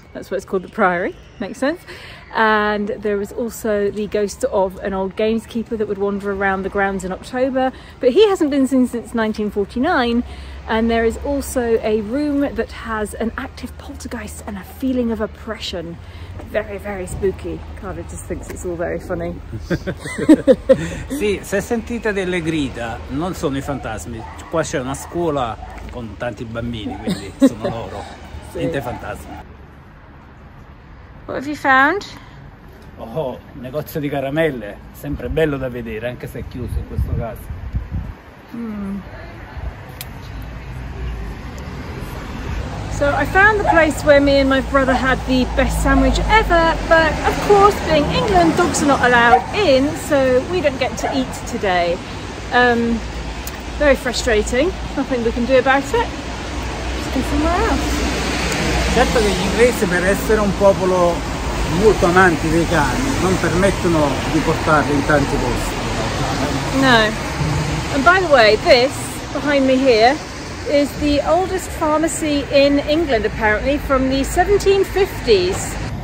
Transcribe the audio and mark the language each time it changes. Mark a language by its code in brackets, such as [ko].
[en] That's what it's called, the priory. Makes sense. And there was also the ghost of an old gameskeeper that would wander around the grounds in October, but he hasn't been seen since 1949. And there is also a room that has an active poltergeist and a feeling of oppression. Very, very spooky. Carlo just thinks it's all very funny. [it] Sì, se sentite delle grida, non sono i fantasmi. Qua c'è una scuola con tanti bambini, quindi sono loro. Sì. Niente fantasmi. [en] What have you found? [it] Oh, negozio di caramelle. Sempre bello da vedere, anche se è chiuso in questo caso. Mm. [en] So I found the place where me and my brother had the best sandwich ever, but of course, being England, dogs are not allowed in, so we don't get to eat today. Very frustrating. Nothing we can do about it. Let's go somewhere else. [it] Certo che gli inglesi, per essere un popolo molto amanti dei cani, non permettono di portarli in tanti posti. No. [en] And by the way, this behind me here is the oldest pharmacy in England, apparently from the 1750s.